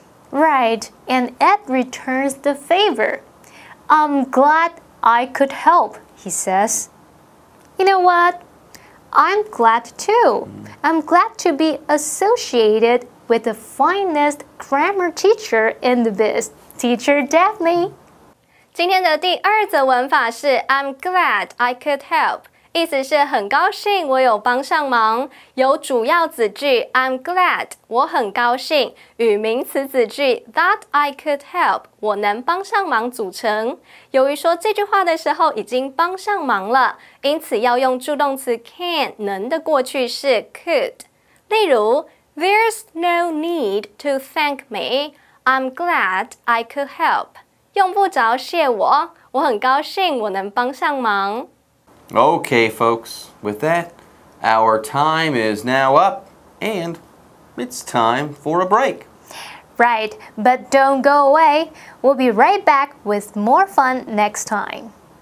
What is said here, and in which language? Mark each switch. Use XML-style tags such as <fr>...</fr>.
<en>Right, and Ed returns the favor. I'm glad I could help, he says. You know what? I'm glad too. I'm glad to be associated with the finest grammar teacher in the biz, Teacher Daphne.</en> <zh>今天的第二则文法是</zh> <en>I'm glad I could help,</en> <zh>意思是很高兴我有帮上忙。有主要子句</zh> <en>I'm glad,</en> <zh>我很高兴，与名词子句</zh> <en>that I could help,</en> <zh>我能帮上忙组成。由于说这句话的时候已经帮上忙了，因此要用助动词 can, 能的过去式 could。例如</zh> <en>There's no need to thank me, I'm glad I could help.</en> <zh>用不着谢我，我很高兴我能帮上忙。</zh> <en>Okay, folks, with that, our time is now up, and it's time for a break. Right, but don't go away. We'll be right back with more fun next time.</en>